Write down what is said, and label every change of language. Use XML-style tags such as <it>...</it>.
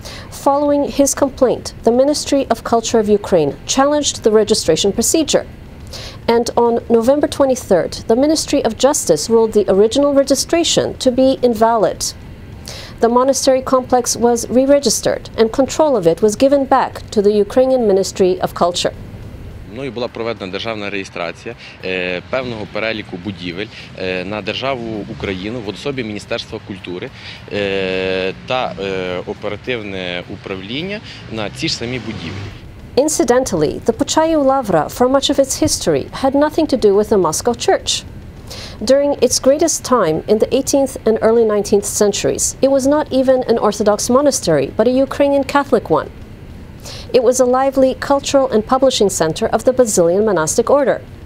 <en>Following his complaint, the Ministry of Culture of Ukraine challenged the registration procedure. And on November 23rd, the Ministry of Justice ruled the original registration to be invalid. The monastery complex was re-registered, and control of it was given back to the Ukrainian Ministry of Culture.</en> <uk>Мною була проведена державна реєстрація певного переліку будівель на державу Україну в особі Міністерства культури та оперативне управління на ці ж самі будівлі.</uk> <en>Incidentally, the Puchayu Lavra, for much of its history, had nothing to do with the Moscow Church. During its greatest time in the 18th and early 19th centuries, it was not even an Orthodox monastery, but a Ukrainian Catholic one. It was a lively cultural and publishing center of the Basilian Monastic Order.</en>